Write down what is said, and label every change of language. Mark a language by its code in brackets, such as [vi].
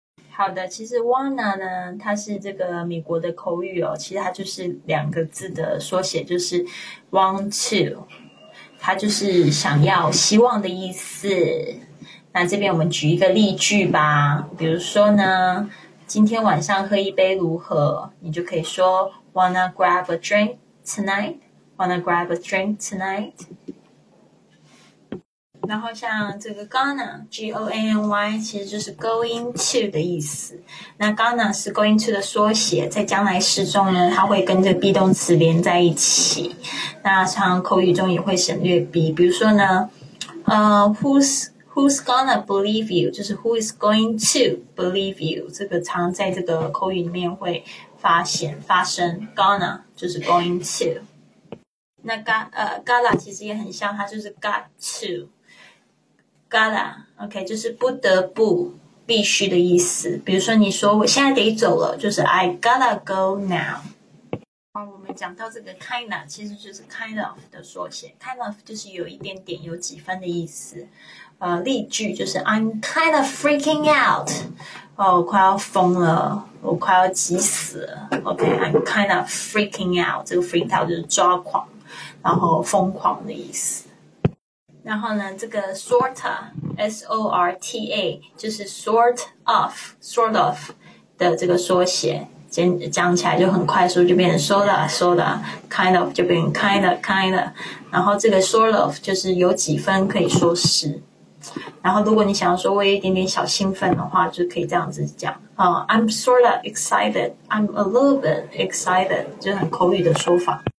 [zh] 好的，其实 wanna 呢，它是这个美国的口语哦，其实它就是两个字的缩写，就是 want to， 它就是想要、希望的意思。那这边我们举一个例句吧，比如说呢，今天晚上喝一杯如何？你就可以说 [en] wanna grab a drink tonight， [zh] wanna grab a drink tonight。然后像这个 gonna G-O-N-N-Y 其实就是 going to 的意思，那 gonna 是 going to 的缩写，在将来时中呢，它会跟这个 be 动词连在一起，那常口语中也会省略 be， 比如说呢 [en] who's gonna believe you， [zh] 就是 [en] who is going to believe you， [zh] 这个常在这个口语里面会发生 gonna 就是 going to。那 gala 其实也很像，它就是 got toGotta, OK, 就是不得不必须的意思。比如说你说我现在得走了，就是 [en] I gotta go now。 [zh] 好，我们讲到这个 kinda, 其实就是 kind of 的缩写。 kind of 就是有一点点有几分的意思。 [en] 例句就是 I'm kind of freaking out. [zh] 哦，我快要疯了，我快要急死了。 [en] OK, I'm kind of freaking out. [zh] 这个 freak out 就是抓狂，然后疯狂的意思。然后呢，这个 sorta S-O-R-T-A 就是 sort of 的这个缩写，讲起来就很快速，就变成 sorta kind of 就变成 kinda 然后这个 sort of 就是有几分可以说是，然后如果你想要说我有一点点小兴奋的话，就可以这样子讲、 [en] I'm sorta excited I'm a little bit excited， [zh] 就很口语的说法。